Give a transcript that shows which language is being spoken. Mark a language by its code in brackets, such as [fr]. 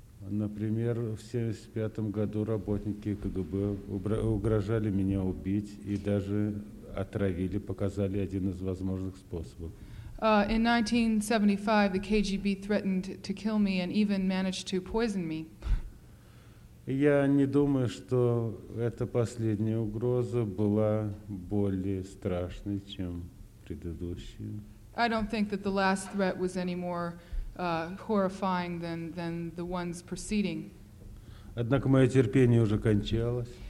[ru] Например, в 75 году работники КГБ угрожали меня убить и даже отравили, показали один из возможных способов. [en] In 1975 the KGB threatened to kill me and even managed to poison me. [ru] Я не думаю, что эта последняя угроза была более страшной, чем предыдущая. [en] I don't think that the last threat was any more horrifying than the ones preceding. [ru] Однако мое терпение уже кончалось.